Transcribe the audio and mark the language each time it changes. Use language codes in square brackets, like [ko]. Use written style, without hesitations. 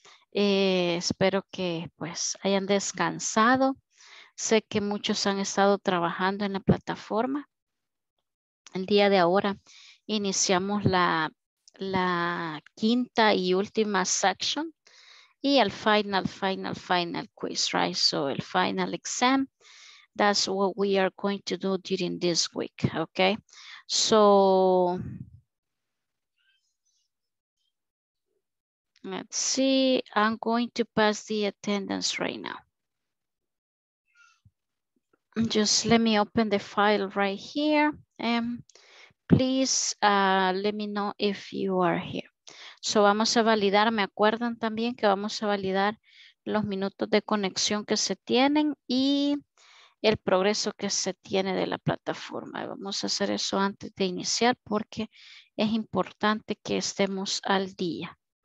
[es] Espero que pues hayan descansado. Sé que muchos han estado trabajando en la plataforma. El día de ahora iniciamos la quinta y última section. [en] Y el final quiz, right? So el final exam. That's what we are going to do during this week, okay? So, let's see, I'm going to pass the attendance right now. Just let me open the file right here. Please let me know if you are here. [es] So vamos a validar, me acuerdan también que vamos a validar los minutos de conexión que se tienen y el progreso que se tiene de la plataforma. Vamos a hacer eso antes de iniciar porque es importante que estemos al día.